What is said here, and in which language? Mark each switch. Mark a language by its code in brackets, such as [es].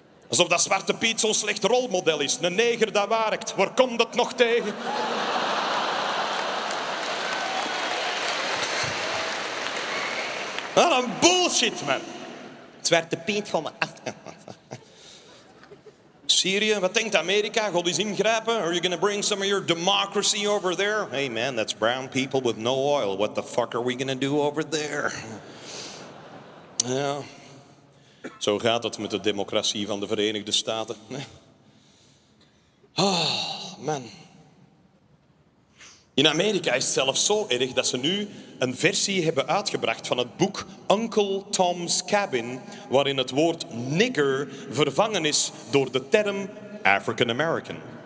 [nl] Alsof dat Zwarte Piet zo'n slecht rolmodel is. Een neger dat werkt. Waar komt dat nog tegen? Wat een bullshit, man. Zwarte Piet gaat me achter. Syrië, wat denkt Amerika? God is ingrijpen? [en] Are you gonna bring some of your democracy over there? Hey man, that's brown people with no oil. What the fuck are we gonna do over there? [nl] Ja, zo gaat het met de democratie van de Verenigde Staten. [en] Oh, man. [nl] In Amerika is het zelfs zo erg dat ze nu een versie hebben uitgebracht van het boek Uncle Tom's Cabin, waarin het woord nigger vervangen is door de term African American.